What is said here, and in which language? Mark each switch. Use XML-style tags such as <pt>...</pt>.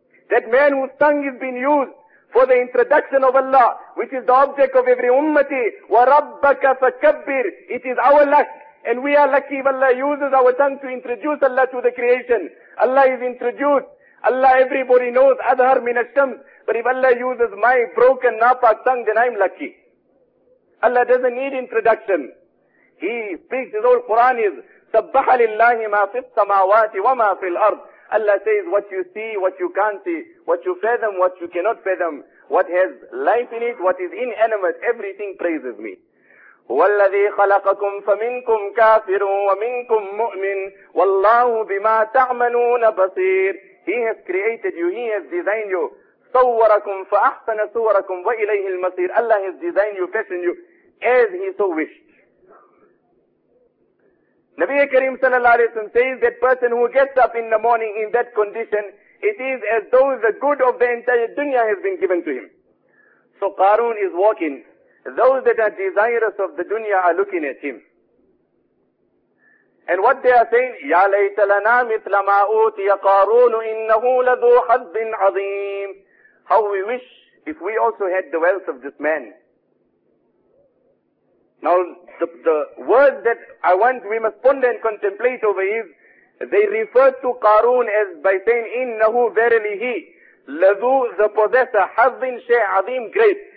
<en>That man whose tongue has been used for the introduction of Allah, which is the object of every ummati,</en> <ar>وَرَبَّكَ فَكَبِّرْ.</ar> <en>It is our luck. And we are lucky if Allah uses our tongue to introduce Allah to the creation. Allah is introduced. Allah, everybody knows,</en> <ar>أَذْهَرْ مِنَ الشَّمْسِ.</ar> <en>But if Allah uses my broken, napak tongue, then I'm lucky. Allah doesn't need introduction. He speaks, his whole Quran is,</en> <ar>سَبَّحَ لِلَّهِ مَا فِي السَّمَاوَاتِ وَمَا فِي الْأَرْضِ.</ar> <en>Allah says, what you see, what you can't see, what you fathom, what you cannot fathom, what has life in it, what is inanimate, everything praises me.</en> <ar>وَالَّذِي خَلَقَكُمْ فَمِنْكُمْ كَافِرٌ وَمِنْكُمْ مُؤْمِنٌ وَاللَّهُ بِمَا تَعْمَلُونَ بَصِيرٌ.</ar> <en>He has created you, he has designed you.</en> <ar>صَوَّرَكُمْ فَأَحْسَنَ صُوَرَكُمْ وَإِلَيْهِ الْمَصِيرُ.</ar> <en>Allah has designed you, fashioned you, as he so wished. Nabi Karim sallallahu alayhi wa sallam says, that person who gets up in the morning in that condition, it is as though the good of the entire dunya has been given to him. So Qarun is walking. Those that are desirous of the dunya are looking at him. And what they are saying,</en> <ar>يَا لَيْتَ لَنَا مِثْلَ مَا أُوتِيَ قَارُونُ إِنَّهُ لَذُو حَظٍ عَظِيمٍ.</ar> <en>How we wish if we also had the wealth of this man. Now, the word that I want we must ponder and contemplate over is, they refer to Qarun as by saying,</en> <ar>إِنَّهُ</ar> <en>verily he,</en> <ar>لَذُو</ar> <en>the possessor,</en> <ar>حَظٍ شَيْ عَظِيمٍ</ar> <en>great.</en>